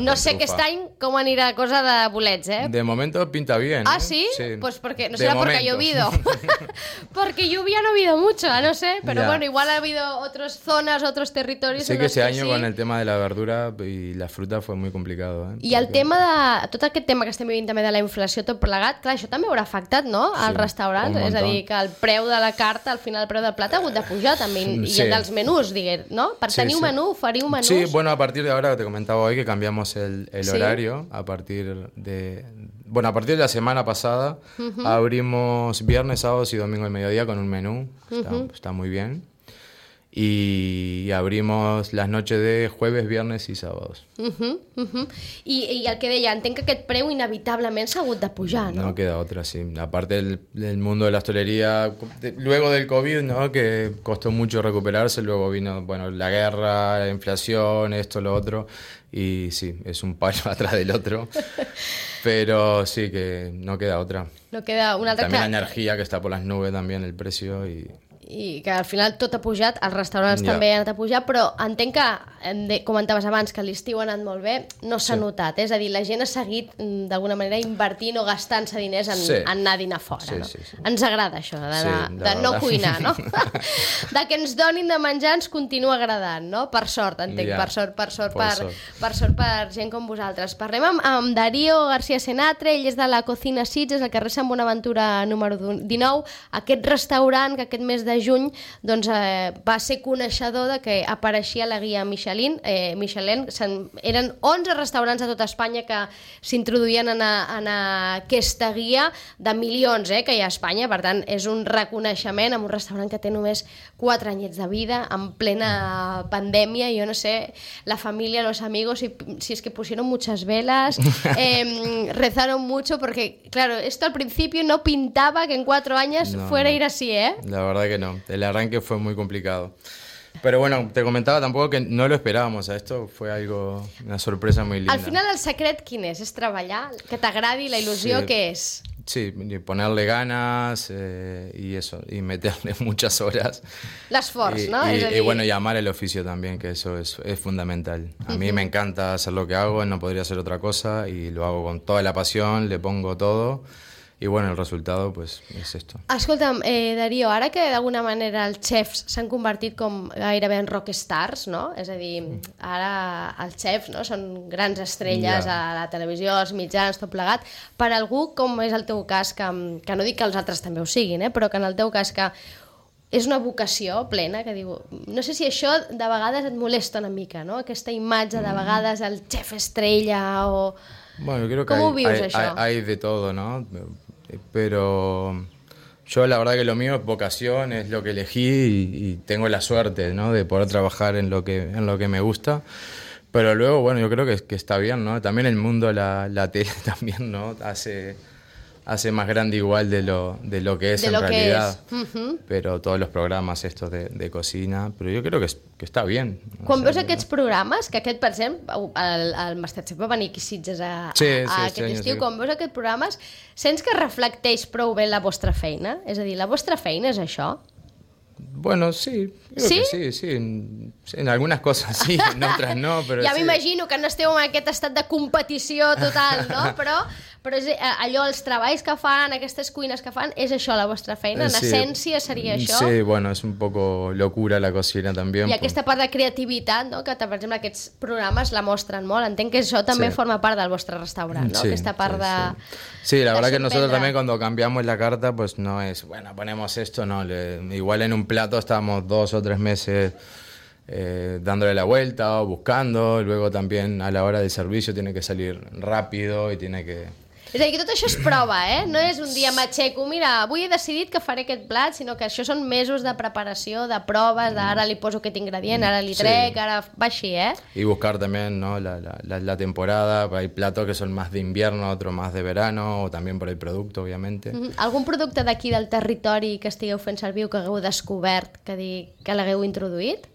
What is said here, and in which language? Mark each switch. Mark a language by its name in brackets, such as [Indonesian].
[Catalan] No sé aquest any com anirà la cosa de bolets, eh? [Spanish] De momento pinta bien. Ah, sí? Pues porque, no será porque ha llovido. Porque lluvia no ha habido mucho, no sé. Pero ya. Bueno, igual ha habido otras zonas, otros territorios. Sí que ese año con el tema de la verdura y la fruta fue muy complicado. [Catalan] I porque... el tema de... Tot aquest tema que estem vivint també de la inflació, tot plegat, clar, això també haurà afectat, no? Al sí, restaurant. És a dir, que el preu de la carta, al final el preu del plat ha hagut de pujar també. Sí. I el dels menús, diguem, no? Per tenir un menú, oferir un menús. [Spanish] Sí, bueno, a partir de ahora, te comentaba hoy que cambiamos el horario, a partir de la semana pasada, uh-huh. abrimos viernes, sábados y domingo al mediodía con un menú, está muy bien, y abrimos las noches de jueves, viernes y sábados. Uh-huh, uh-huh. [Catalan] I el que deia, entenc que aquest preu inevitablement s'ha hagut de pujar, no? [Spanish] No queda otra, sí. Aparte del mundo de la hostelería, luego del COVID, ¿no? Que costó mucho recuperarse, luego vino, bueno, la guerra, la inflación, esto, lo otro... Y sí, es un palo atrás del otro, pero sí, que no queda otra. [Catalan] No queda una altra... [Spanish] También la energía, que está por las nubes también, el precio. [Catalan] I que al final tot ha pujat, els restaurants també han anat a pujar, però entenc que, comentaves abans, que l'estiu ha anat molt bé, no s'ha notat. És a dir, la gent ha seguit, d'alguna manera, invertint o gastant-se diners en anar a dinar fora. Sí, no? Sí. Ens agrada això, de no cuinar, no? De que ens donin de menjar ens continua agradant, no? Per sort, entenc, per sort per gent com vosaltres. Parlem amb Darío García Senatre, ell és de la Cocina Sitges, al carrer Sant Bonaventura número 19, aquest restaurant que aquest mes de juny doncs, va ser coneixedor de que apareixia la guia Michelin. Eren 11 restaurants de tota Espanya que s'introduïen en aquesta guia de milions que hi ha a Espanya, per tant és un reconeixement amb un restaurant que té només 4 anyets de vida, en plena pandèmia, jo no sé, la família, [Spanish] los amigos, si es que pusieron muchas velas, rezaron mucho, porque claro, esto al principio no pintaba que en 4 años fuera a ir así, La verdad que no. bueno, el arranque fue muy complicado. Pero bueno, te comentaba tampoco que no lo esperábamos a esto, fue algo, una sorpresa muy linda. [Catalan] Al final, el secret quin és treballar, que t'agradi la il·lusió, sí. Què és? [Spanish] Sí, y ponerle ganas y eso, y meterle muchas horas. [Catalan] L'esforç, ¿no? [Spanish] Y bueno, y amar el oficio también, que eso es fundamental. A mí me encanta hacer lo que hago, no podría hacer otra cosa, y lo hago con toda la pasión, le pongo todo. Y bueno, el resultado pues es esto. [Catalan] Escolta'm, Darío, ara que d'alguna manera els chefs s'han convertit com gairebé en rockstars, no? És a dir, ara els chefs, no, són grans estrelles, yeah, a la televisió, als mitjans, tot plegat. Per algú com és el teu cas, que no dic que els altres també ho siguin, però que en el teu cas que és una vocació plena, que diu, no sé si això de vegades et molesta una mica, no? Aquesta imatge de vegades el chef estrella o... [Spanish] Bueno, creo que hay de todo, ¿no? Pero yo la verdad que lo mío es vocación, es lo que elegí y tengo la suerte, ¿no?, de poder trabajar en lo que me gusta. Pero luego, bueno, yo creo que está bien, ¿no? También el mundo, la tele también, ¿no?, hace más grande igual de lo que es de en lo realidad. Que es. Uh-huh. Pero todos los programas estos de cocina, pero yo creo que está bien. [Catalan] Quan veus aquests programes, que aquest, per exemple, el Masterchef va venir aquí Sitges a aquest estiu. Quan veus aquests programes, sents que reflecteix prou bé la vostra feina? És a dir, la vostra feina és això? [Spanish] Bueno, sí, creo ¿sí? que sí, sí. En algunas cosas sí, en otras no, pero [Catalan] ja sí. M'imagino que no esteu en aquest estat de competició total, no? Però és allò, els treballs que fan, aquestes cuines que fan, és això la vostra feina? En essència seria això? [Spanish] Sí, bueno, és un poco locura la cocina també. [Catalan] I aquesta part de creativitat, no? Que per exemple aquests programes la mostren molt. Entenc que això també, sí, forma part del vostre restaurant, no? Sí, aquesta part, sí, de... [Spanish] Sí, la verdad que nosotros también cuando cambiamos la carta, pues no es, bueno, ponemos esto, no. Igual en un plato estábamos 2 o 3 meses dándole la vuelta o buscando. Luego también a la hora del servicio tiene que salir rápido y tiene que... [Catalan] És a dir, que tot això es prova, eh? No és un dia m'aixeco, mira, avui he decidit que faré aquest plat, sinó que això són mesos de preparació, de proves, d'ara li poso aquest ingredient, ara li trec, sí, ara va així, eh? I buscar també, no, la temporada, [Spanish] hay platos que son más de invierno, otro más de verano, o también por el producto, obviamente. [Catalan] Algun producte d'aquí del territori que estigueu fent servir o que hagueu descobert, que l'hagueu introduït?